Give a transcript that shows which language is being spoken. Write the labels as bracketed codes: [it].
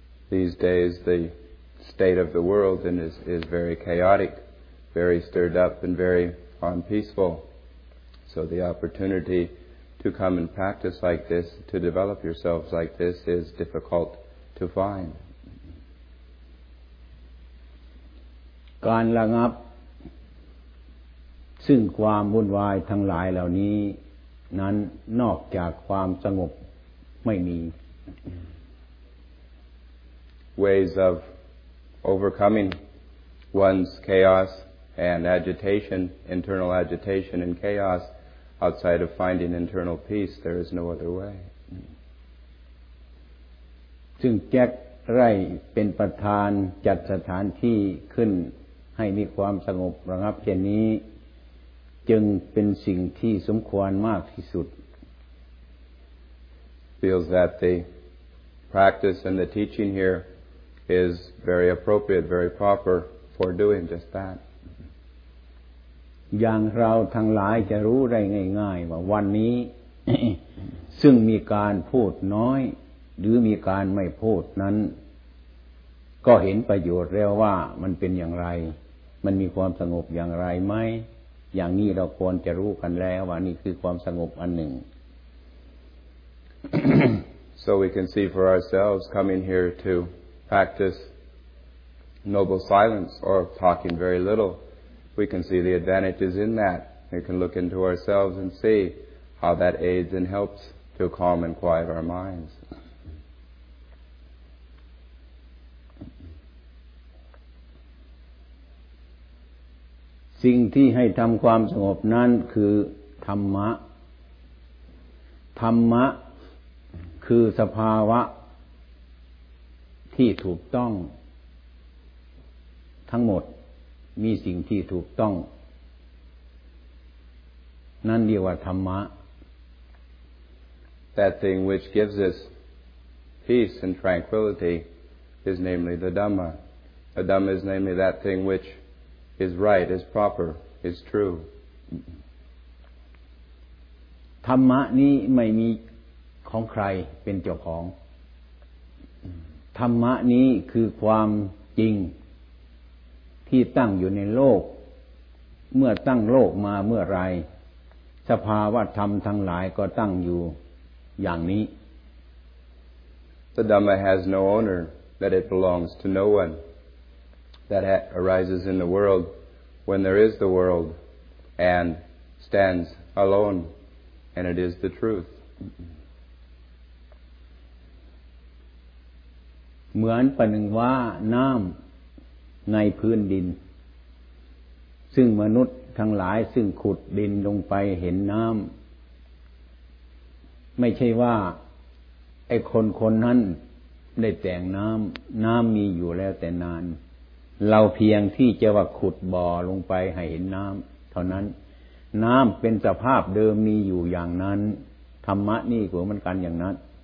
[en] These days the state of the world is very chaotic, very stirred up and very unpeaceful. So the opportunity to come and practice like this, to develop yourselves like this is difficult to find. [th] การระงับซึ่งความวุ่นวายทั้งหลายเหล่านี้นั้นนอกจากความสงบไม่มี [en] ways of overcoming one's chaos and agitation internal agitation and chaos outside of finding internal peace there is no other way [th] ซึ่งแจ็คไร่เป็นประธานจัดสถานที่ขึ้นให้มีความสงบระงับเช่นนี้จึงเป็นสิ่งที่สมควรมากที่สุด [en] feels that the practice and the teaching here is very appropriate very proper for doing just that [th] อย่างเราทั้งหลายจะรู้ได้ง่ายๆว่าวันนี้ ซึ่งมีการพูดน้อยหรือมีการไม่พูดนั้นก็เห็นประโยชน์แล้วว่ามันเป็นอย่างไรมันมีความสงบอย่างไรไหมอย่างนี้เราควรจะรู้กันแล้วว่านี่คือความสงบอันหนึ่ง [en] So we can see for ourselves coming here to practice noble silence or talking very little we can see the advantages in that we can look into ourselves and see how that aids and helps to calm and quiet our minds [th] สิ่งที่ให้ทำความสงบนั้นคือธรรมะธรรมะคือสภาวะที่ถูกต้องทั้งหมดมีสิ่งที่ถูกต้องนั่นเรียกว่าธรรมะ [en] That thing which gives us peace and tranquility is namely the Dhamma. A Dhamma is namely that thing which is right, is proper, is true. [th] ธรรมะนี้ไม่มีของใครเป็นเจ้าของธรรมะนี้คือความจริงที่ตั้งอยู่ในโลกเมื่อตั้งโลกมาเมื่อไรสภาวะธรรมทั้งหลายก็ตั้งอยู่อย่างนี้ [en] The Dhamma has no owner, that it belongs to no one. That arises in the world when there is the world and stands alone, and it is the truth. [th] เหมือนประหนึ่งว่าน้ำในพื้นดินซึ่งมนุษย์ทั้งหลายซึ่งขุดดินลงไปเห็นน้ำไม่ใช่ว่าไอ้คนคนนั้นได้แต่งน้ำน้ำมีอยู่แล้วแต่นานเราเพียงที่จะว่าขุดบ่อลงไปให้เห็นน้ำเท่านั้นน้ำเป็นสภาพเดิมมีอยู่อย่างนั้นธรรมะนี่ก็เหมือนกันอย่างนั้น